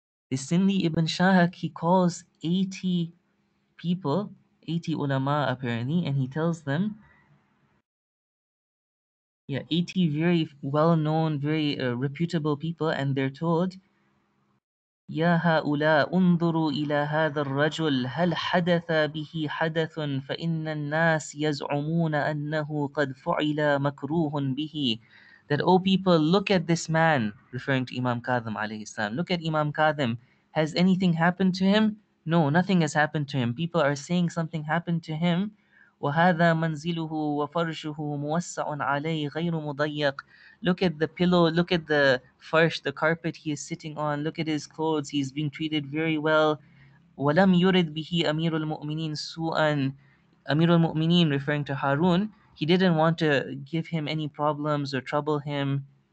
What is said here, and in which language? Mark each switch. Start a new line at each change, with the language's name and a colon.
English: This Sindi ibn Shahak, he calls 80 people, 80 ulama apparently, and he tells them, 80 very well-known, very reputable people, and they're told,
Arabic: يَا هَؤُلَا أُنْظُرُوا إِلَى هَذَا الرَّجُلْ هَلْ حَدَثَ بِهِ حَدَثٌ فَإِنَّ النَّاسِ يَزْعُمُونَ أَنَّهُ قَدْ فُعِلَ مَكْرُوهٌ بِهِ.
English: That, oh people, look at this man, referring to Imam Kadhim alayhi salam. Look at Imam Kadhim. Has anything happened to him? No, nothing has happened to him. People are saying something happened to him.
Arabic: وهذا منزله وفرشه موسع عليه غير مضيق.
English: Look at the pillow, look at the farsh, the carpet he is sitting on, look at his clothes, he is being treated very well.
Arabic: وَلَمْ يُرِدْ بِهِ أَمِيرُ الْمُؤْمِنِينَ سُوءًا.
English: Amir al-Mu'mineen, referring to Harun, he didn't want to give him any problems or trouble him.